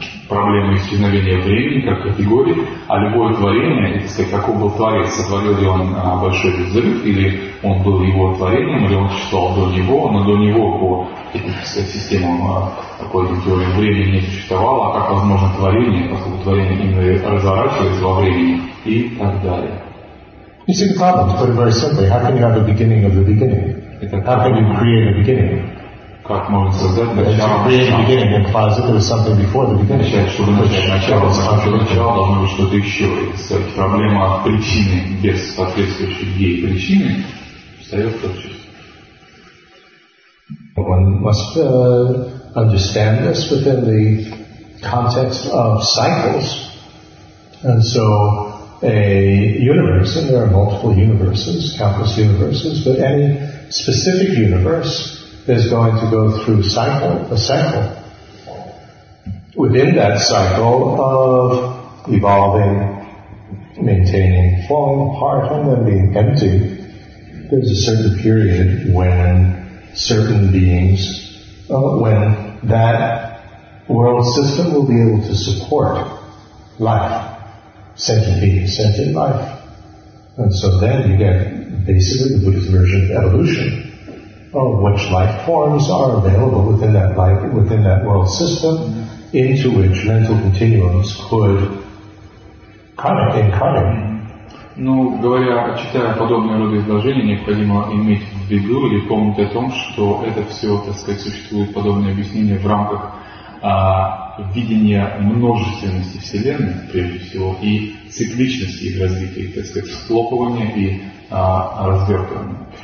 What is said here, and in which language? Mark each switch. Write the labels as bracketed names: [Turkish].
[Russian] проблемы исчезновения времени как категории, а любое творение, так сказать, какой был творец, сотворил ли он большой взрыв, или он был его творением, или он существовал до него, но до него по системам такой теории времени не существовало, а как возможно творение, поскольку творение именно разворачивается во времени и так далее. [English] You see the problem, to put it very simply, how can you have a beginning of the beginning? How can you create a beginning? [Russian] Как можно создать начало? [English] If you create a beginning, it implies that there was something before the beginning. [Russian] Начало должно быть что-то еще. Кстати, проблема причины без соответствующих ей причины встает в тот час. [English] One must understand this within the context of cycles. And so, a universe, and there are multiple universes, countless universes, but any specific universe is going to go through a cycle. Within that cycle of evolving, maintaining, falling apart, and then being empty, there's a certain period when certain beings, when that world system will be able to support life, sentient beings, sentient life. And so then you get basically the Buddhist version of evolution, of which life forms are available within that life, within that world system, into which mental continuums could incarnate. [Russian] Ну, говоря, читая подобные роды изложения, необходимо иметь в виду или помнить о том, что это все, так сказать, существует подобное объяснение в рамках видения множественности Вселенной, прежде всего, и цикличности их развития, так сказать, схлопывания и развертывания.